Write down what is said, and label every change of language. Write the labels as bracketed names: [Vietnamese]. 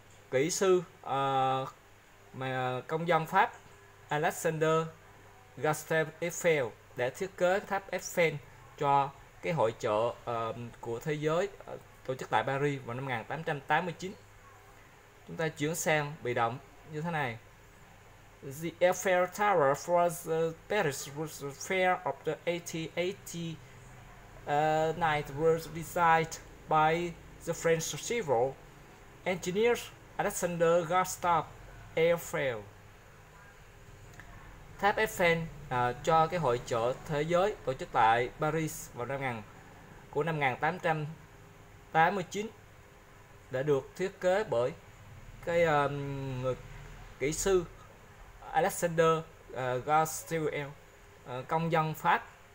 [Vietnamese] Kỹ sư mà công dân Pháp Alexander Gustave Eiffel đã thiết kế tháp Eiffel cho cái hội chợ của thế giới tổ chức tại Paris vào năm 1889. Chúng ta chuyển sang bị động như thế này. [English] The Eiffel Tower for the Paris World Fair of the 1889 was designed by the French civil engineer Alexander Gustave Eiffel. [Vietnamese] Tháp Eiffel cho cái hội chợ thế giới tổ chức tại Paris vào năm 1889 đã được thiết kế bởi cái người kỹ sư Alexander Gustave công dân Pháp.